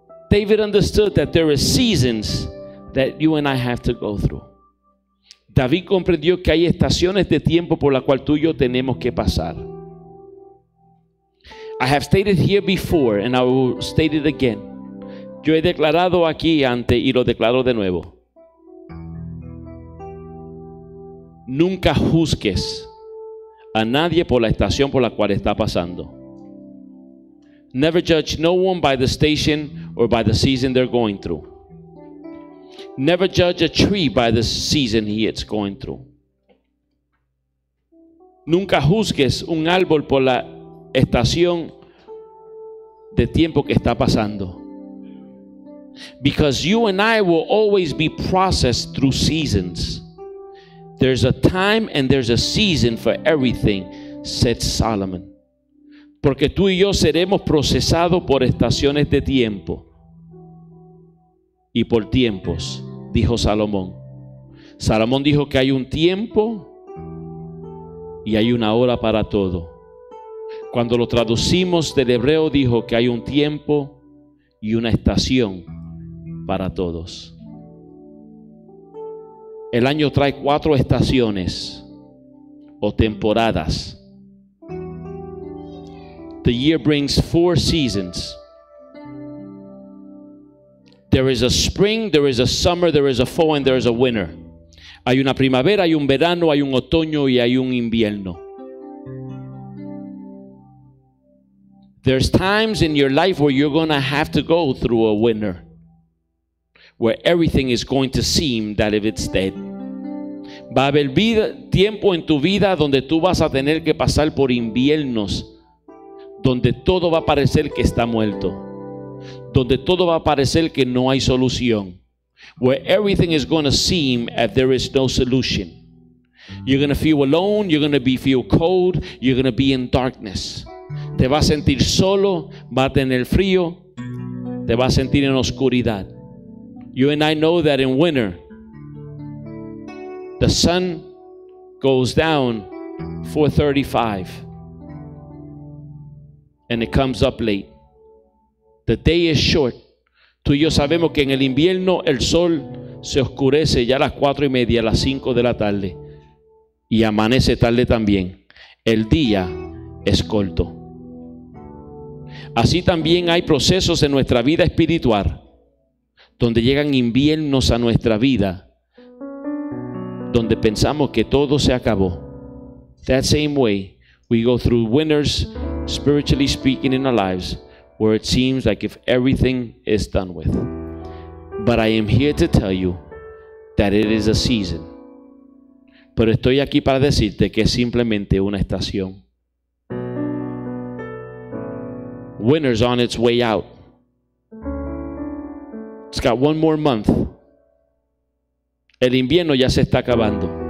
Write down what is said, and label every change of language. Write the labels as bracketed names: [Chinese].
[English] David understood that there are seasons that you and I have to go through. [Spanish] David comprendió que hay estaciones de tiempo por la cual tú y yo tenemos que pasar. [English] I have stated here before and I will state it again. [Spanish] Yo he declarado aquí antes y lo declaro de nuevo. Nunca juzgues a nadie por la estación por la cual está pasando. [English] Never judge no one by the station or by the season they're going through. Never judge a tree by the season he is going through. [Spanish] Nunca juzgues un árbol por la estación de tiempo que está pasando. [English] Because you and I will always be processed through seasons. There's a time and there's a season for everything, said Solomon. [Spanish] Porque tú y yo seremos procesados por estaciones de tiempo y por tiempos, dijo Salomón. Salomón dijo que hay un tiempo y hay una hora para todo. Cuando lo traducimos del hebreo, dijo que hay un tiempo y una estación para todos. El año trae cuatro estaciones o temporadas. [English] The year brings four seasons. There is a spring, there is a summer, there is a fall, and there is a winter. [Spanish] Hay una primavera, hay un verano, hay un otoño y hay un invierno. [English] There's times in your life where you're going to have to go through a winter, where everything is going to seem that if it's dead. [Spanish] Va a haber tiempo en tu vida donde tú vas a tener que pasar por inviernos, donde todo va a parecer que está muerto, donde todo va a parecer que no hay solución. [English] Where everything is going to seem as there is no solution. You're going to feel alone, you're going to feel cold, you're going to be in darkness. [Spanish] Te vas a sentir solo, va a tener frío, te vas a sentir en oscuridad. [English] You and I know that in winter, the sun goes down 4:35 and it comes up late. The day is short. [Spanish] Tú y yo sabemos que en el invierno el sol se oscurece ya a las 4:30, a las 5 de la tarde, y amanece tarde también. El día es corto. Así también hay procesos en nuestra vida espiritual donde llegan inviernos a nuestra vida, donde pensamos que todo se acabó. [English] That same way, we go through winters, spiritually speaking, in our lives, where it seems like if everything is done with. But I am here to tell you that it is a season. [Spanish] Pero estoy aquí para decirte que es simplemente una estación. [English] Winter's on its way out. It's got one more month. [Spanish] El invierno ya se está acabando.